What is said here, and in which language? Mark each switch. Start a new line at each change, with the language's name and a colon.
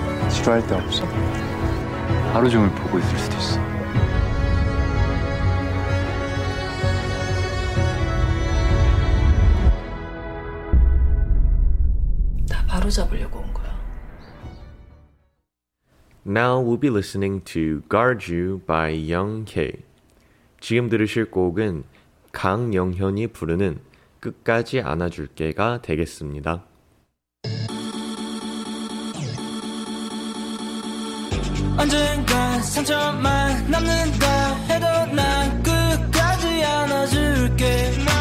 Korean: 싫어할 때 없어? 하루 종일 보고 있을 수도 있어. 다 바로 잡으려고 온 거야.
English: Now we'll be listening to Guard You by Young K.
Korean: 지금 들으실 곡은 강영현이 부르는 끝까지 안아줄게가 되겠습니다. 언젠가 상처만 남는다 해도 난 끝까지 안아줄게.